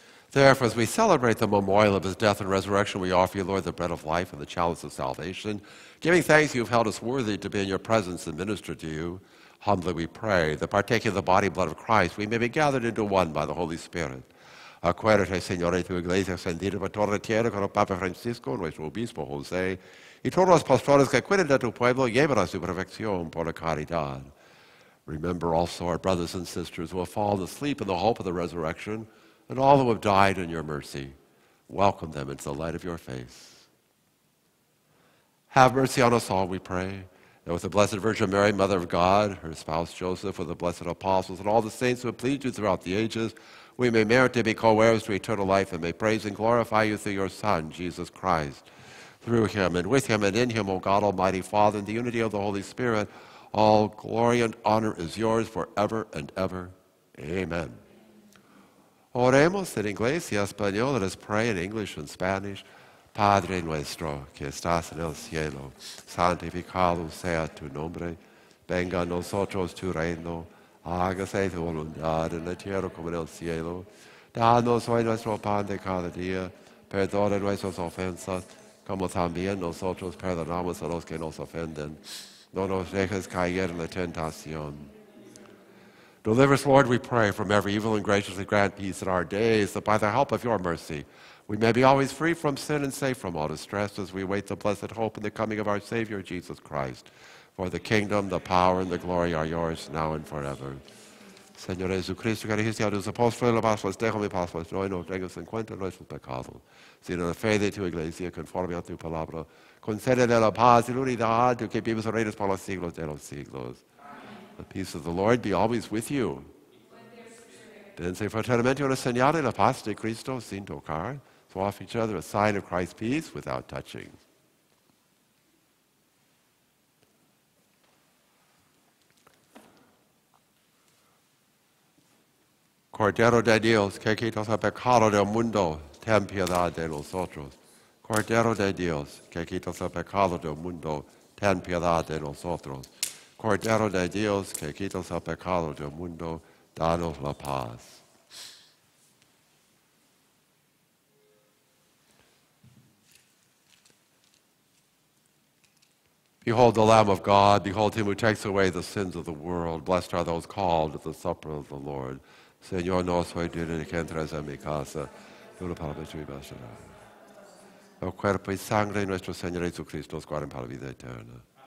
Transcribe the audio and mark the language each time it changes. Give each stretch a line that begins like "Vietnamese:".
English: Therefore, as we celebrate the memorial of his death and resurrection, we offer you, Lord, the bread of life and the chalice of salvation, giving thanks you have held us worthy to be in your presence and minister to you. Humbly we pray that, partaking of the body and blood of Christ, we may be gathered into one by the Holy Spirit.
Spanish: Acuérdate, Señor, tu iglesia extendida por toda la tierra con el Papa Francisco, nuestro obispo José, y todos los pastores que cuidan de tu pueblo, llévalos a su perfección por la caridad.
English: Remember also our brothers and sisters who have fallen asleep in the hope of the resurrection, and all who have died in your mercy. Welcome them into the light of your face. Have mercy on us all, we pray, and with the Blessed Virgin Mary, Mother of God, her spouse Joseph, with the blessed apostles, and all the saints who have pleased you throughout the ages, we may merit to be co-heirs to eternal life, and may praise and glorify you through your Son, Jesus Christ. Through him, and with him, and in him, O God, almighty Father, in the unity of the Holy Spirit, all glory and honor is yours forever and ever.
Spanish: Amen. Oremos en inglés y español.
English: Let us pray in English and Spanish.
Spanish: Padre nuestro que estás en el cielo, santificado sea tu nombre. Venga a nosotros tu reino. Hágase tu voluntad en la tierra como en el cielo. Danos hoy nuestro pan de cada día. Perdona nuestras ofensas como también nosotros perdonamos a los que nos ofenden. No nos dejes caer en la tentación.
English: Deliver us, Lord, we pray, from every evil, and graciously grant peace in our days, that by the help of your mercy we may be always free from sin and safe from all distress, as we wait the blessed hope and the coming of our Savior, Jesus Christ. For the kingdom, the power, and the glory are yours, now and forever.
Spanish: Señor Jesucristo, que dijiste a tus apóstoles, los pastores, déjame pastores, hoy no tengas en cuenta nuestros pecados, sino la fe de tu iglesia, conforme a tu palabra. Concédele la paz y la unidad, tú que vives y reinas por los siglos de los siglos.
English: The peace of the Lord be always with you.
Spanish: Dense fraternamente una señal de la paz de Cristo sin tocar.
English: So offer each other a sign of Christ's peace without touching.
Spanish: Cordero de Dios, que quitas el pecado del mundo, ten piedad de nosotros. Cordero de Dios, que quitas el pecado del mundo, ten piedad de nosotros. Cordero de Dios, que quitas el pecado del mundo, danos la paz.
English: Behold the Lamb of God, behold him who takes away the sins of the world. Blessed are those called to the supper of the Lord.
Spanish: Señor, no soy digno de que entres en mi casa. No lo palabra tu y bastará. El cuerpo y sangre de nuestro Señor Jesucristo os guarden para la vida eterna.